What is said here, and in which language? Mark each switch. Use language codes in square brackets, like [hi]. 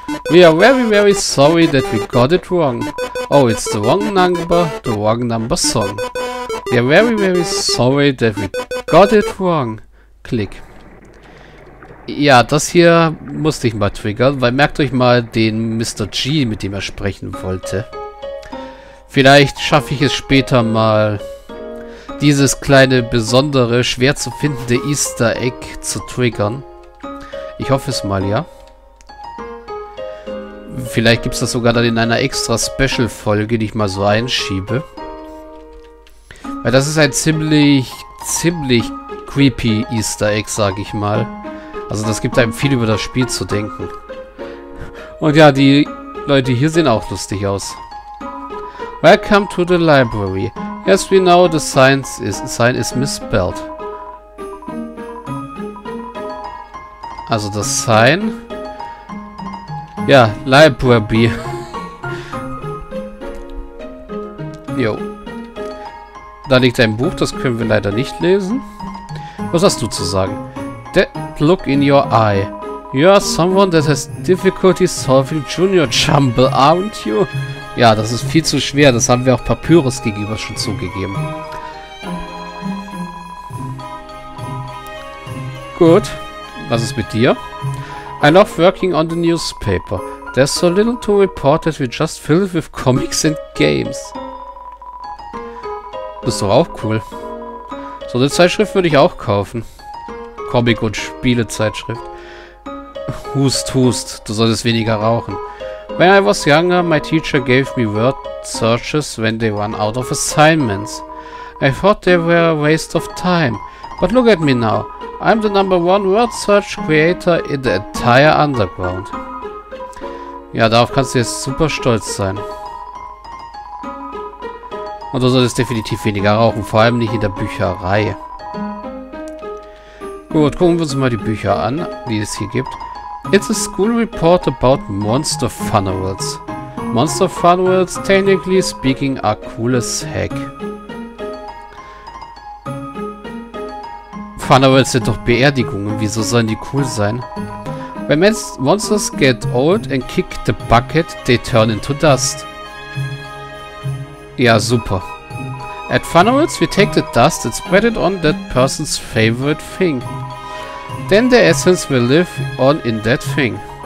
[en] We are very, very sorry that we got it wrong. Oh, it's the wrong number song. We are very, very sorry that we got it wrong. [de] Klick. Ja, das hier musste ich mal triggern, weil merkt euch mal den Mr. G, mit dem er sprechen wollte. Vielleicht schaffe ich es später mal, dieses kleine, besondere, schwer zu findende Easter Egg zu triggern. Ich hoffe es mal, ja. Vielleicht gibt es das sogar dann in einer extra Special-Folge, die ich mal so einschiebe. Weil das ist ein ziemlich, ziemlich creepy Easter Egg, sag ich mal. Also das gibt einem viel über das Spiel zu denken. Und ja, die Leute hier sehen auch lustig aus. [en] Welcome to the library. As we know, the sign is misspelled. [de] Also das Sign... Ja, Library. Jo. Da liegt ein Buch, das können wir leider nicht lesen. Was hast du zu sagen? [en] That look in your eye. You are someone that has difficulty solving Junior Jumble, aren't you? [de] Ja, das ist viel zu schwer. Das haben wir auch Papyrus gegenüber schon zugegeben. Gut. Was ist mit dir? [en] I love working on the newspaper. There's so little to report that we just fill it with comics and games. [de] Das ist doch auch cool. So eine Zeitschrift würde ich auch kaufen. Comic- und Spielezeitschrift. Hust, hust. Du solltest weniger rauchen. [en] When I was younger, my teacher gave me word searches when they run out of assignments. I thought they were a waste of time. But look at me now. I'm the number one word search creator in the entire underground. [de] Ja, darauf kannst du jetzt super stolz sein. Und du solltest definitiv weniger rauchen, vor allem nicht in der Bücherei. Gut, gucken wir uns mal die Bücher an, die es hier gibt. [en] It's a school report about monster funnels. Monster funnels, technically speaking, are cool as heck. [de] Funnels sind doch Beerdigungen, wieso sollen die cool sein? [en] When monsters get old and kick the bucket, they turn into dust. [de] Ja, super. [en] At Funerals, we take the dust and spread it on that person's favorite thing. Then the essence will live on in that thing.